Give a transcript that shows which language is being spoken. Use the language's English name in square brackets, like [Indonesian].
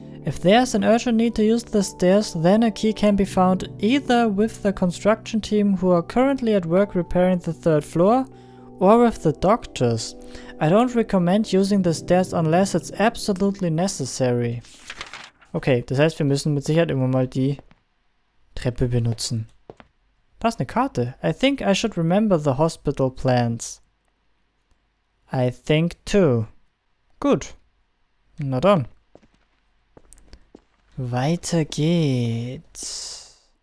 [English] If there's an urgent need to use the stairs, then a key can be found either with the construction team who are currently at work repairing the third floor, or with the doctors. I don't recommend using the stairs unless it's absolutely necessary. [German] Okay, das heißt, wir müssen mit Sicherheit immer mal die Treppe benutzen. Da ist eine Karte. [English] I think I should remember the hospital plans. I think too. [German] Gut. Na dann. Weiter geht's.